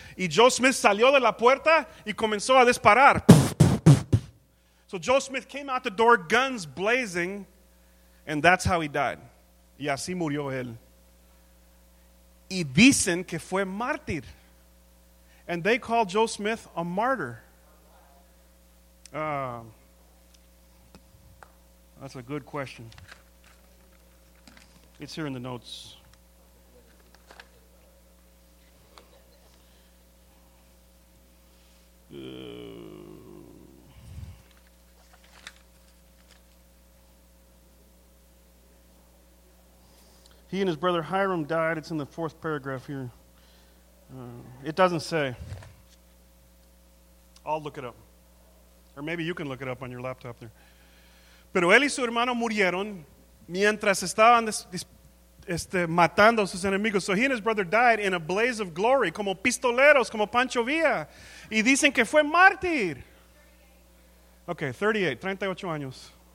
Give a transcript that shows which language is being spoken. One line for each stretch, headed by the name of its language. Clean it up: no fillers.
Spanish: Y Joe Smith salió de la puerta y comenzó a disparar.
English: So Joe Smith came out the door, guns blazing, and that's how he died.
Spanish: Y así murió él. Y dicen que fue mártir.
English: And they call Joe Smith a martyr. That's a good question. It's here in the notes. He and his brother Hiram died. It's in the fourth paragraph here. It doesn't say. I'll look it up. Or maybe you can look it up on your laptop there.
Spanish: Pero él y su hermano murieron mientras estaban matando sus enemigos.
English: So he and his brother died in a blaze of glory,
Spanish: como pistoleros, como Pancho Villa. Y dicen que fue mártir. Okay, 38 años.